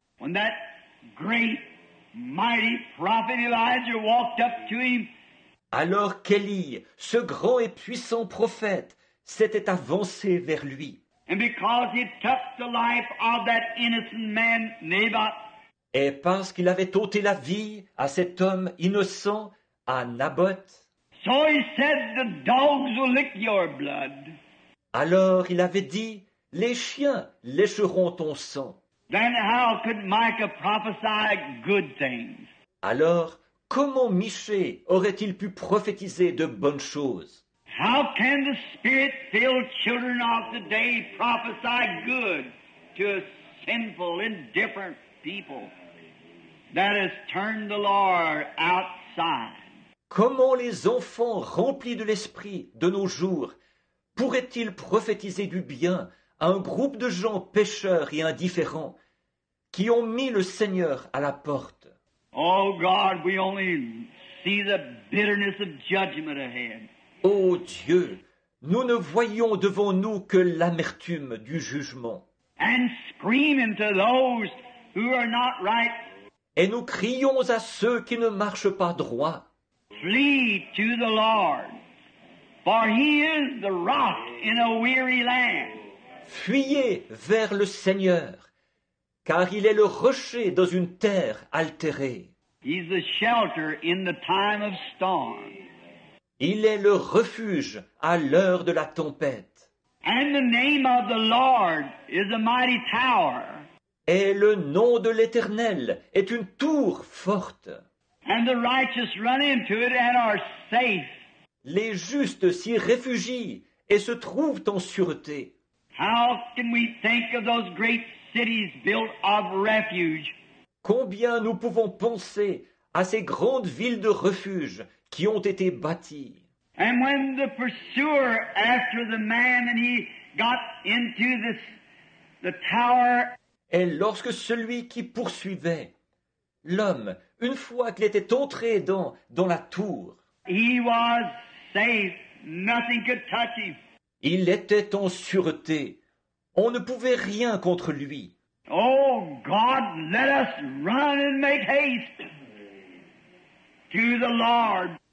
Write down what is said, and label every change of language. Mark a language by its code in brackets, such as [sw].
[en] When that great, mighty prophet Elijah walked up to him. [fr] Alors qu'Élie, ce grand et puissant prophète, s'était avancé vers lui. [en] And because he took the life of that innocent man, Naboth. [fr] Et parce qu'il avait ôté la vie à cet homme innocent, à Naboth. [en] So he said, the dogs will lick your blood. [fr] Alors il avait dit, les chiens lécheront ton sang. [en] Then how could Micah prophesy good things? [fr] Alors comment Michée aurait-il pu prophétiser de bonnes choses? [en] How can the spirit-filled children of the day prophesy good to a sinful, indifferent people that has turned the Lord outside? [fr] Comment les enfants remplis de l'esprit de nos jours pourraient-ils prophétiser du bien à un groupe de gens pécheurs et indifférents qui ont mis le Seigneur à la porte? [en] Oh God, we only see the bitterness of judgment ahead. [fr] Oh Dieu, nous ne voyons devant nous que l'amertume du jugement. [en] And screaming to those who are not right. [fr] Et nous crions à ceux qui ne marchent pas droit. [en] Flee to the Lord, for he is the rock in a weary land. [fr] Fuyez vers le Seigneur, car il est le rocher dans une terre altérée. [en] He's the shelter in the time of storm. [fr] Il est le refuge à l'heure de la tempête. [en] And the name of the Lord is a mighty tower. [fr] Et le nom de l'Éternel est une tour forte. [en] And the righteous run into it and are safe. [fr] Les justes s'y réfugient et se trouvent en sûreté. [en] How can we think of those great cities built of refuge? [fr] Combien nous pouvons penser à ces grandes villes de refuge qui ont été bâties? [en] And when the pursuer after the man and he got into this, the tower. [fr] Et lorsque celui qui poursuivait l'homme, une fois qu'il était entré dans la tour, [en] he was safe. Nothing could touch him. [fr] Il était en sûreté. On ne pouvait rien contre lui. Oh, [en] God, let us run and make haste to the Lord.